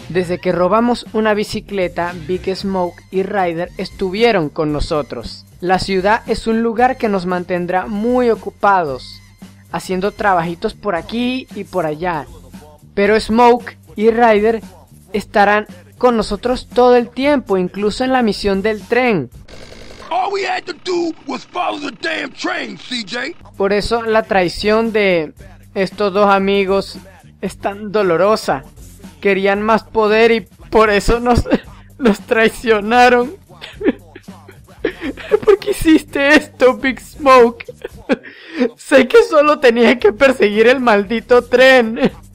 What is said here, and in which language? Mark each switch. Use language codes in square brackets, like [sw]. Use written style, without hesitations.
[es] Desde que robamos una bicicleta, Big Smoke y Ryder estuvieron con nosotros. La ciudad es un lugar que nos mantendrá muy ocupados, haciendo trabajitos por aquí y por allá. Pero Smoke y Ryder estarán con nosotros todo el tiempo, incluso en la misión del tren. [en] All we had to do was follow the damn train, CJ. [es] Por eso la traición de estos dos amigos es tan dolorosa. Querían más poder y por eso nos traicionaron. ¿Por qué hiciste esto, Big Smoke? Sé que solo tenía que perseguir el maldito tren.